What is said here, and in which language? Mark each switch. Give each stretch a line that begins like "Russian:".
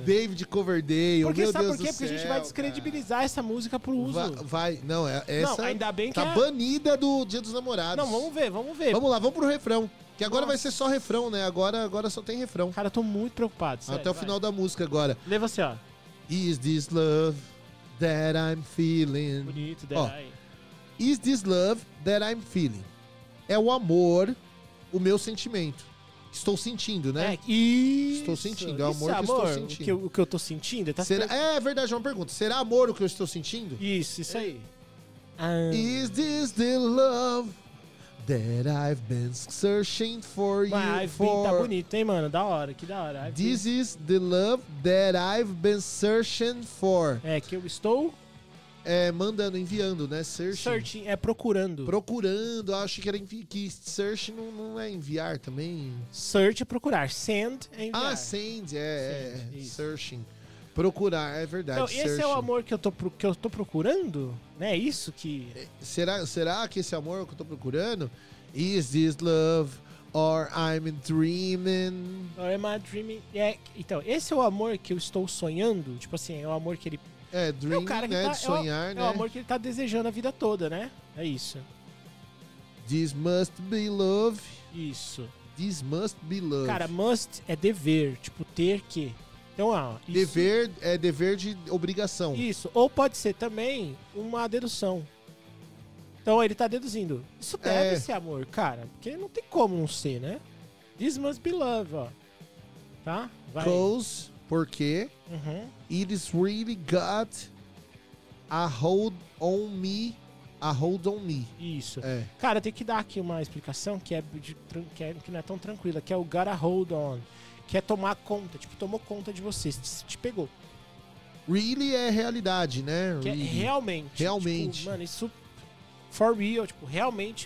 Portuguese: David Coverdale, porque, meu Deus do céu. Porque a gente vai descredibilizar essa música pro uso. Vai, não, essa não, ainda bem tá que banida do Dia dos Namorados. Não, vamos ver, vamos ver. Vamos lá, vamos pro refrão. Que agora Nossa. Vai ser só refrão, né? Agora só tem refrão. Cara, eu tô muito preocupado, sério. Até o final da música agora. Lê você, ó.
English: Is this love that I'm feeling?
Portuguese: Bonito, daí.
English: Is this love that I'm feeling?
Portuguese: É o amor, o meu sentimento. Estou sentindo, né? Estou sentindo, é o amor, isso, que amor, estou sentindo. O que eu tô sentindo? Tá, será, é verdade, é uma pergunta. Será amor o que eu estou sentindo? Isso aí.
English: Is this the love that I've been searching for you?
Portuguese: Tá bonito, hein, mano? Da hora, que da hora.
English: Is the love that I've been searching for.
Portuguese: É, que eu estou... É, mandando, enviando, né? Searching, é procurando. Procurando, acho que era que search não é enviar também. Search é procurar, send é enviar. Ah, send, searching. Procurar, é verdade. Então, esse searching é o amor que eu tô procurando? Né? Isso que... Será que esse amor que eu tô procurando?
English: Is this love or I'm dreaming? Or am I dreaming?
Portuguese: É, então, esse é o amor que eu estou sonhando? Tipo assim, é o amor que ele... É, dream, é, né? Tá, de sonhar, é o, né? É o amor que ele tá desejando a vida toda, né? É isso.
English: This must be love.
Portuguese: Isso.
English: This must be love.
Portuguese: Cara, must é dever, tipo, ter que... Então, ó, dever é dever de obrigação. Isso. Ou pode ser também uma dedução. Então ele tá deduzindo. Isso deve ser amor, cara. Porque não tem como não ser, né?
English: This must be love,
Portuguese: ó. Tá? Vai. Cause, porque. Uhum.
English: It is really got a hold on me. A hold on me.
Portuguese: Isso. É. Cara, tem que dar aqui uma explicação que não é tão tranquila, que é o got a hold on. Que é tomar conta, tipo, tomou conta de você, te pegou. Really é realidade, né? Que really. É realmente. Realmente. Tipo, mano, isso, for real, tipo, realmente.